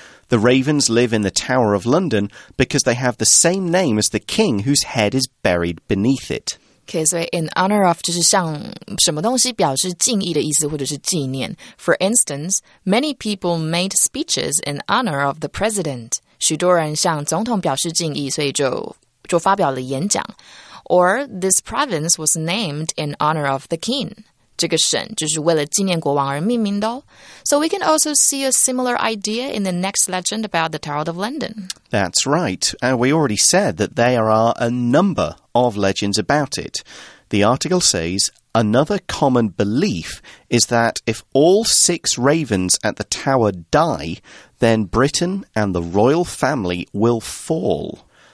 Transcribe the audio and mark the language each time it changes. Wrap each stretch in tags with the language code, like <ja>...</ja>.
<en>The ravens live in the Tower of London because they have the same name as the king whose head is buried beneath it. Okay, so in honor of</en> <zh>就是像什么东西表示敬意的意思或者是纪念。</zh> <en>For instance, many people made speeches in honor of the president.</en> <zh>许多人向总统表示敬意，所以就发表了演讲。</zh> <en>Or this province was named in honor of the king.</en> <zh>这个省就是为了纪念国王而命名的哦。</zh> <en>So we can also see a similar idea in the next legend about the Tower of London. That's right. And we already said that there are a numberof legends about it. The article says, another common belief is that if all six ravens at the tower die, then Britain and the royal family will fall.</en>